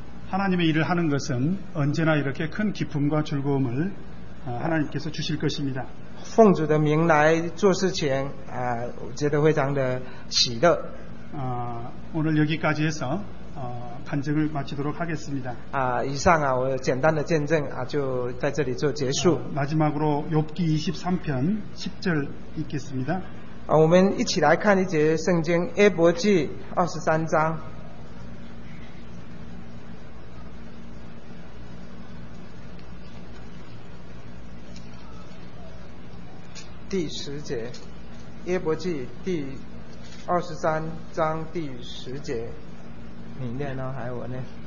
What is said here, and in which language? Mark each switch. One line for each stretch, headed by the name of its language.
Korean: 하나님의일을하는것은언제나이렇게큰기쁨과즐거움을하나님께서주실것입니다
Chinese: 奉主的名来做事情啊我觉得非常的喜乐
Korean: 오늘여기까지해서간증을마치도록하겠습니다 아이상아
Chinese: 我简单的见证啊就在这里做结束
Korean: 마지막으로욥기23편10절읽겠습니다
Chinese: 啊，我们一起来看一节圣经《约伯记》二十三章。第十节，《约伯记》第二十三章第十节，你念呢，还是我念？